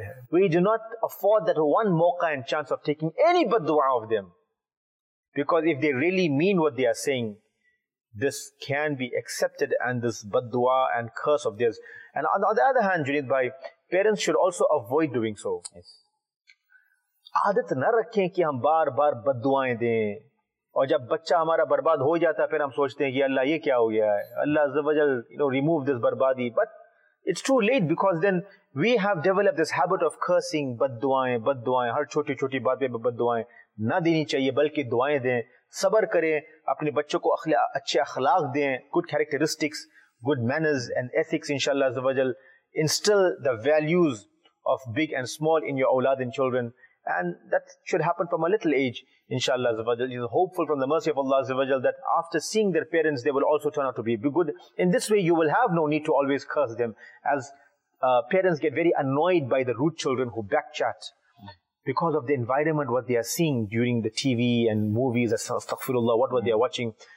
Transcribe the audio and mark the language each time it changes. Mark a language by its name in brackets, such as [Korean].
[English] We do not afford that one mocha and chance of taking any bad du'a of them. Because if they really mean what they are saying, this can be accepted and this bad du'a and curse of theirs. And on the other hand, Junaid bhai, parents should also avoid doing so. Yes. [Hindi] आदत न रखें कि हम बार बार बद्दुआएं दें और जब बच्चा हमारा बर्बाद हो जाता है फिर हम सोचते हैं कि अल्लाह ये क्या हो गया है अल्लाह अज़्ज़वजल [English] you know remove this बर्बादी but it's too late because then we have developed this habit of cursing [Hindi] बद्दुआएं हर छोटी छोटी बात पे बद्दुआएं ना देनी चाहिए बल्कि दुआएं दें सब्र करें अपने बच्चों को अच्छे अखलाक दें [English] good characteristics good manners and ethics [Hindi] इंशाल्लाह अज़्ज़वजल [English] instil the values of big and small in your [Hindi] औलाद [English] And children. And that should happen from a little age, inshallah, azawajal. He's hopeful from the mercy of Allah azawajal that after seeing their parents, they will also turn out to be good. In this way, you will have no need to always curse them, as parents get very annoyed by the rude children who backchat because of the environment, what they are seeing during the TV and movies, astaghfirullah, what were they are watching.